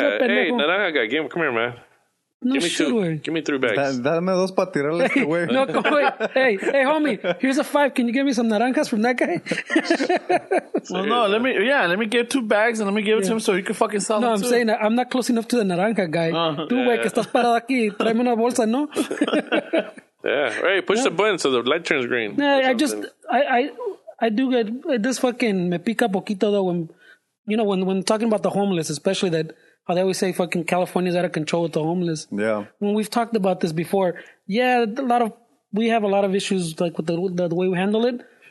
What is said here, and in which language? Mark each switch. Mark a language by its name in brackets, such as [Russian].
[English] up at home? Hey, Naranja guy, come here, man. No, give me three bags. [Spanish] Dame dos para tirarle este güey. [English] No, hey, homie, here's a five. Can you give me some naranjas from that guy? Well, no, let me get two bags and let me give it to him so he can fucking sell them. No, I'm saying I'm not close enough to the naranja guy. [Spanish] Tú, güey, que estás parado aquí, tráeme una bolsa, ¿no? [English] Yeah, hey, push the button so the light turns green. No, I do get this fucking [Spanish] me pica poquito [English] though when, you know, when talking about the homeless, especially that. How they always say fucking California's out of control with the homeless. Yeah. When we've talked about this before. Yeah, we have a lot of issues like with the way we handle it.